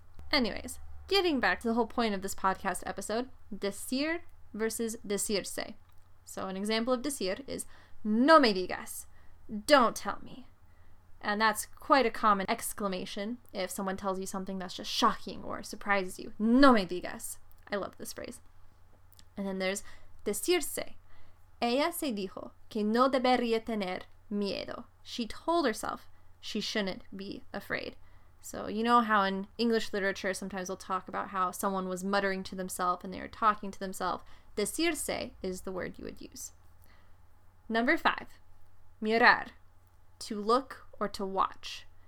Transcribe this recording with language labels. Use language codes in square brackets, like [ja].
[en] Anyways, getting back to the whole point of this podcast episode, decir versus decirse. So an example of decir is, [es] no me digas, [en] don't tell me. And that's quite a common exclamation if someone tells you something that's just shocking or surprises you. [es] No me digas. [en] I love this phrase. And then there's decirse. [es] Ella se dijo que no debería tener miedo. [en] She told herself she shouldn't be afraid. So you know how in English literature sometimes we'll talk about how someone was muttering to themselves and they were talking to themselves. Decirse is the word you would use. Number five, mirar, to look or to watch.